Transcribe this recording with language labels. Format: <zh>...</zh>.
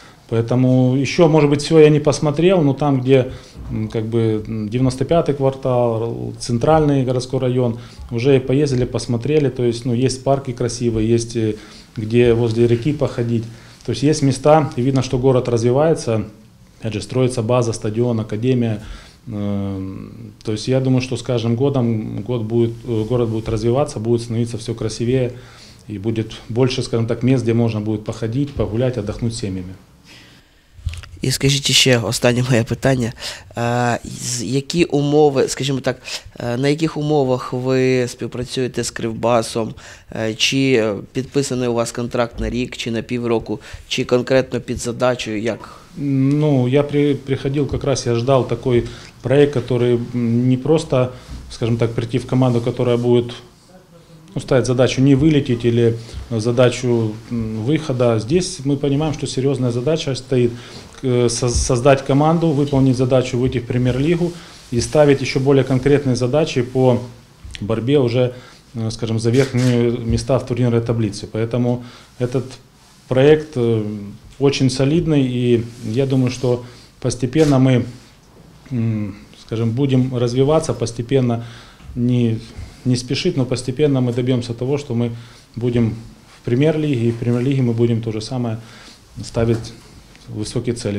<ru>Поэтому еще, может быть, все я не посмотрел, но там, где как бы 95-й квартал, центральный городской район, уже поездили, посмотрели, то есть, ну, есть парки красивые, есть где возле реки походить, то есть есть места, и видно, что город развивается, опять же, строится база, стадион, академия, то есть я думаю, что с каждым годом город будет развиваться, будет становиться все красивее, и будет больше, скажем так, мест, где можно будет походить, погулять, отдохнуть с семьями.</ru> <uk>І скажіть ще останнє моє питання. Які умови, скажімо так, на яких умовах ви співпрацюєте з Кривбасом? Чи підписаний у вас контракт на рік, чи на півроку, чи конкретно під задачею, як? Ну, я приходив, якраз я чекав такий проєкт, який не просто, скажімо так, прийти в команду, яка буде, ну, ставить задачу не вилетіти, або задачу виходу.</uk> <ru>Здесь</ru> <uk>ми розуміємо, що серйозна задача стоїть.</uk> <ru>Создать команду, выполнить задачу, выйти в премьер-лигу и ставить еще более конкретные задачи по борьбе уже, скажем, за верхние места в турнирной таблице. Поэтому этот проект очень солидный, и я думаю, что постепенно мы, скажем, будем развиваться, постепенно, не спешить, но постепенно мы добьемся того, что мы будем в премьер-лиге, и в премьер-лиге мы будем то же самое ставить высокие цели.</ru>